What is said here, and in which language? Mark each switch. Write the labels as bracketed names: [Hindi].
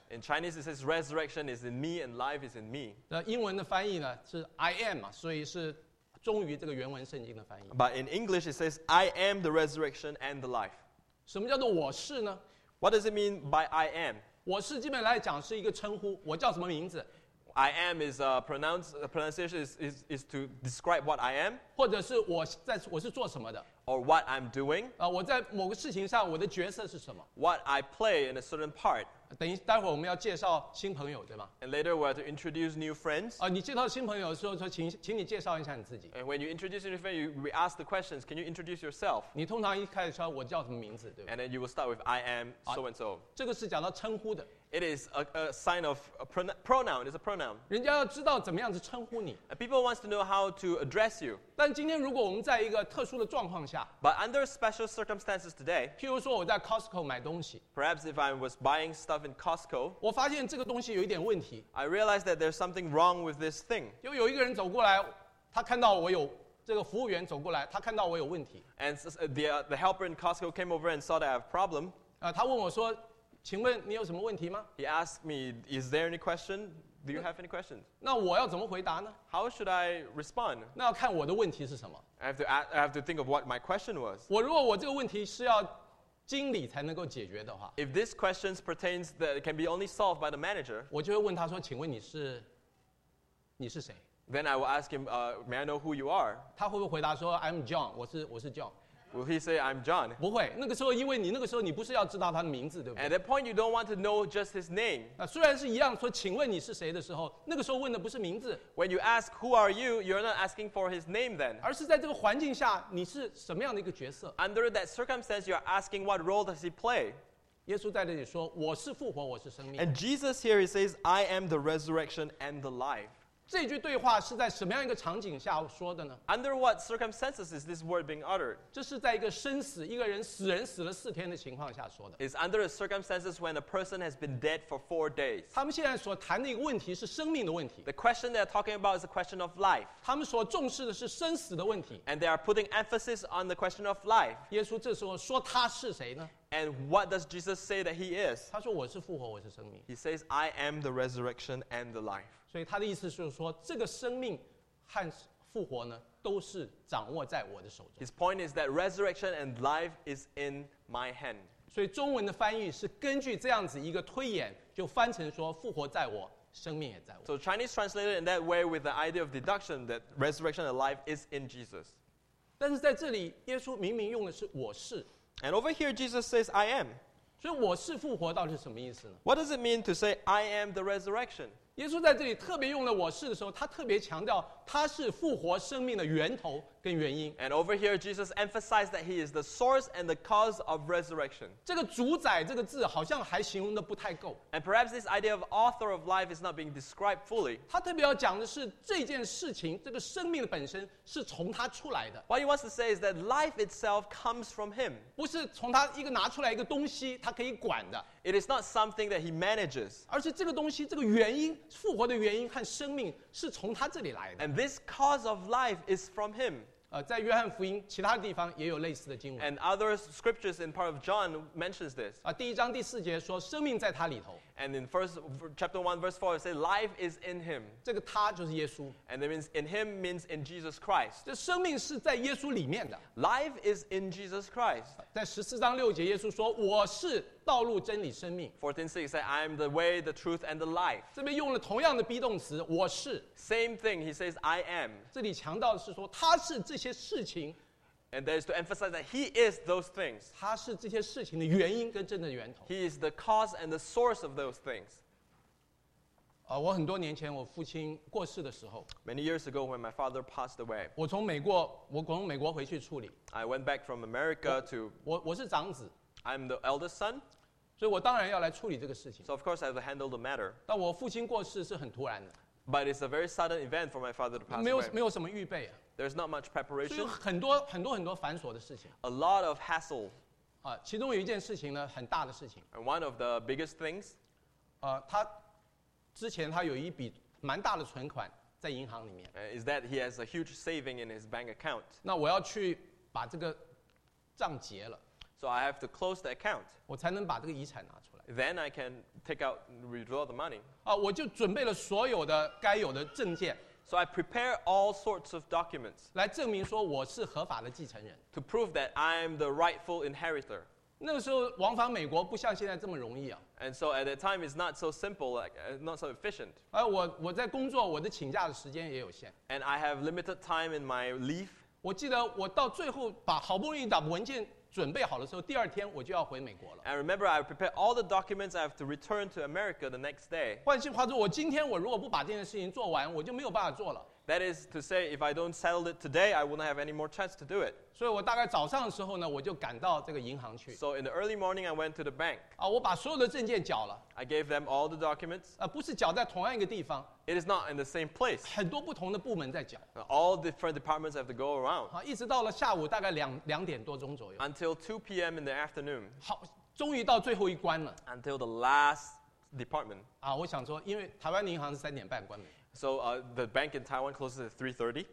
[English] In Chinese, it says, resurrection is in me and life is in me. [Chinese] 那英文的翻译呢，是 [English] I am, [Chinese] 所以是忠于这个原文圣经的翻译。 [English] But in English, it says, I am the resurrection and the life. [Chinese] 什么叫做我是呢？ [English] What does it mean by I am? [Chinese] 我是基本来讲是一个称呼，我叫什么名字？ [English] I am is a pronunciation is to describe what I am. [Chinese] 或者是我在我是做什么的。 [English] Or what I'm doing. [Chinese] 我在某个事情上我的角色是什么。 [English] What I play in a certain part. [Chinese] 等一下，待会儿我们要介绍新朋友，对吗？ [English] And later we have to introduce new friends. [Chinese] 你介绍新朋友的时候，说请你介绍一下你自己。 [English] And when you introduce new friends, we ask the questions. Can you introduce yourself? [Chinese] 你通常一开始说我叫什么名字，对吧？ [English] And then you will start with I am so and so. [Chinese] 这个是讲到称呼的。 [English] It is a sign of a pronoun. It's a pronoun. [Chinese] 人家要知道怎么样子称呼你。 [English] People wants to know how to address you. [Chinese] 但今天如果我们在一个特殊的状况下。 [English] But under special circumstances today. [Chinese] 譬如说我在 Costco 买东西。 [English] Perhaps if I was buying stuff in Costco. [Chinese] 我发现这个东西有一点问题。 [English] I realized that there's something wrong with this thing. [Chinese] 就有一个人走过来，他看到我有。这个服务员走过来，他看到我有问题。 [English] And the helper in Costco came over and saw that I have a problem. [Chinese] 他问我说。请问你有什么问题吗？ [English] He asked me, is there any question? Do you have any questions? [Chinese] 那我要怎么回答呢？ [English] How should I respond? [Chinese] 那要看我的问题是什么。 [English] I have to think of what my question was. [Chinese] 我如果我这个问题是要经理才能够解决的话。 [English] If this question pertains that it can be only solved by the manager. [Chinese] 我就会问他说，请问你是谁？ [English] Then I will ask him, may I know who you are? [Chinese] 他会不会回答说， [English] I'm John, [Chinese] 我是 John。 [English] Will he say, I'm John? [Chinese] 不会，那个时候因为你那个时候你不是要知道他的名字，对不对？ [English] At that point, you don't want to know just his name. [Chinese] 虽然是一样说请问你是谁的时候，那个时候问的不是名字。 [English] When you ask, who are you? You're not asking for his name then. [Chinese] 而是在这个环境下你是什么样的一个角色。 [English] Under that circumstance, you're asking what role does he play? [Chinese] 耶稣在这里说，我是复活，我是生命。 [English] And Jesus here, he says, I am the resurrection and the life. [Chinese] 这句对话是在什么样一个场景下说的呢？ [English] Under what circumstances is this word being uttered? [Chinese] 这是在一个生死，一个人死人死了四天的情况下说的。 [English] It's under the circumstances when a person has been dead for 4 days. [Chinese] 他们现在所谈的一个问题是生命的问题。 [English] The question they are talking about is a question of life. [Chinese] 他们所重视的是生死的问题。 [English] And they are putting emphasis on the question of life. [Chinese] 耶稣这时候说他是谁呢？ [English] And what does Jesus say that he is? [Chinese] 他说我是复活，我是生命。 [English] He says, I am the resurrection and the life. [Chinese] 所以他的意思是说，这个生命和复活呢，都是掌握在我的手中。 [English] His point is that resurrection and life is in my hand. [Chinese] 所以中文的翻译是根据这样子一个推演，就翻成说复活在我，生命也在我。 [English] So Chinese translated in that way with the idea of deduction that resurrection and life is in Jesus. [Chinese] 但是在这里，耶稣明明用的是我是。 [English] And over here, Jesus says, I am. [Chinese] 所以我是复活到底是什么意思呢？ [English] What does it mean to say, I am the resurrection? [Chinese] 耶稣在这里特别用了我是的时候，他特别强调他是复活生命的源头跟原因。 [English] And over here, Jesus emphasized that he is the source and the cause of resurrection. [Chinese] 这个主宰这个字好像还形容的不太够。 [English] And perhaps this idea of author of life is not being described fully. [Chinese] 他特别要讲的是这件事情，这个生命的本身是从他出来的。 [English] What he wants to say is that life itself comes from him. [Chinese] 不是从他一个拿出来一个东西他可以管的。 [English] It is not something that he manages. [Chinese] 而是这个东西，这个原因，复活的原因和生命是从他这里来的。 [English] And this cause of life is from him. [Chinese] 在约翰福音其他地方也有类似的经文。 [English] And other scriptures in part of John mentions this. [Chinese] 第一章第四节说生命在他里头。 [English] And in first chapter 1 verse 4 it says life is in him. [Chinese] 这个他就是耶稣。 [English] And it means in him means in Jesus Christ. [Chinese] 这生命是在耶稣里面的。 [English] Life is in Jesus Christ. [Chinese] 在十四章六节耶稣说我是道路真理生命。 [English] 14:6 says I am the way, the truth and the life. [Chinese] 这边用了同样的 be 动词我是。 [English] Same thing, he says I am. [Chinese] 这里强调的是说他是这些事情。 [English] And that is to emphasize that he is those things. [Chinese] 他是这些事情的原因跟真的源头。 [English] He is the cause and the source of those things. [Chinese] 我很多年前我父亲过世的时候。 [English] Many years ago when my father passed away. [Chinese] 我从美国回去处理。 [English] I went back from America to... [Chinese] 我是长子。 [English] I'm the eldest son. [Chinese] 所以我当然要来处理这个事情。 [English] So of course I have to handle the matter. [Chinese] 但我父亲过世是很突然的。 [English] But it's a very sudden event for my father to pass away. [Chinese] 没有什么预备啊。 [English] There's not much preparation. [Chinese] 所以很多很多很多繁琐的事情。 [English] A lot of hassle. [Chinese] 其中有一件事情呢，很大的事情。 [English] And one of the biggest things. [Chinese] 他之前他有一笔蛮大的存款在银行里面。 [English] Is that he has a huge saving in his bank account? [Chinese] 那我要去把这个账结了。 [English] So I have to close the account. [Chinese] 我才能把这个遗产拿出来。 [English] Then I can take out, withdraw the money. [Chinese] 我就准备了所有的该有的证件。 [English] So I prepare all sorts of documents [Chinese] 来证明说我是合法的继承人 [English] to prove that I'm the rightful inheritor. [Chinese] 那个时候往返美国不像现在这么容易啊。 [English] And so at that time it's not so simple, like, not so efficient. [Chinese] 我在工作，我的请假的时间也有限。 [English] And I have limited time in my leave. [Chinese] 我记得我到最后把好不容易把文件准备好的时候，第二天我就要回美国了。 [English] And remember, I prepared all the documents. I have to return to America the next day. [Chinese] 换句话说，我今天我如果不把这件事情做完，我就没有办法做了。 [English] That is to say, if I don't settle it today, I will not have any more chance to do it. [Chinese] 所以我大概早上的时候呢，我就赶到这个银行去。 [English] So in the early morning, I went to the bank. [Chinese] 我把所有的证件缴了。 [English] I gave them all the documents. [Chinese] 不是缴在同样一个地方。 [English] It is not in the same place. [Chinese] 很多不同的部门在缴。 [English] All different departments have to go around. [Chinese] 一直到了下午大概两点多钟左右。 [English] Until 2 p.m. in the afternoon. [Chinese] 好，终于到最后一关了。 [English] Until the last department. [Chinese] 我想说，因为台湾银行是三点半关门。 [English] So the bank in Taiwan closes at 3:30.